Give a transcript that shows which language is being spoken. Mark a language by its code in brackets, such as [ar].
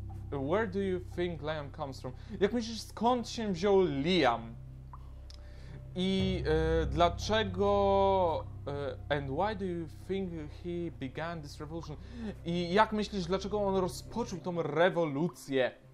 [en] Where do you think Liam comes from? [pl] Jak myślisz, skąd się wziął Liam? I dlaczego... [en] And why do you think he began this revolution? [pl] I jak myślisz, dlaczego on rozpoczął tą rewolucję?